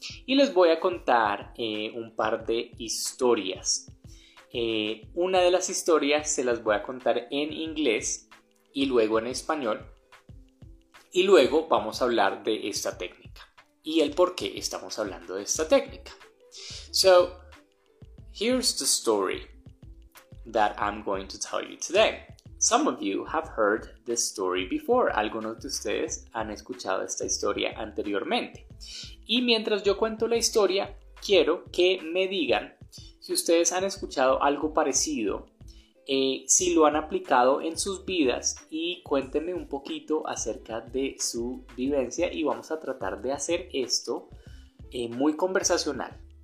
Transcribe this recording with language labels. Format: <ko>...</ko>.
<es>Y les voy a contar un par de historias. Una de las historias se las voy a contar en inglés y luego en español. Y luego vamos a hablar de esta técnica y el por qué estamos hablando de esta técnica.</es> <en>So, here's the story that I'm going to tell you today. Some of you have heard this story before.</en> <es>Algunos de ustedes han escuchado esta historia anteriormente. Y mientras yo cuento la historia, quiero que me digan si ustedes han escuchado algo parecido, si lo han aplicado en sus vidas y cuéntenme un poquito acerca de su vivencia y vamos a tratar de hacer esto muy conversacional.</es>